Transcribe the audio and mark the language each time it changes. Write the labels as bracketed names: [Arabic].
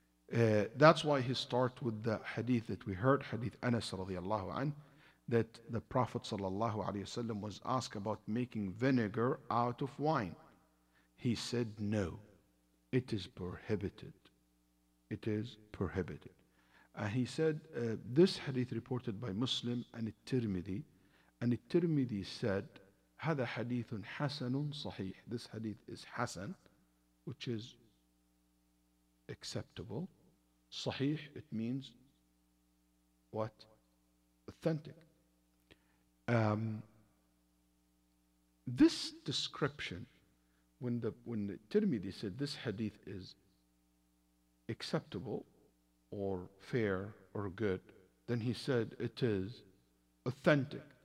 [English] That's why he starts with the hadith that we heard, hadith Anas radiallahu an, that the Prophet sallallahu alayhi wasallam was asked about making vinegar out of wine. He said, no, it is prohibited. It is prohibited. And he said, this hadith reported by Muslim and Tirmidhi. And Tirmidhi said, [Arabic] هذا حديث حسن صحيح. [English] This hadith is Hasan, which is acceptable. صحيح, it means what? Authentic. This description, when Tirmidhi said this hadith is acceptable or fair or good, then he said it is authentic.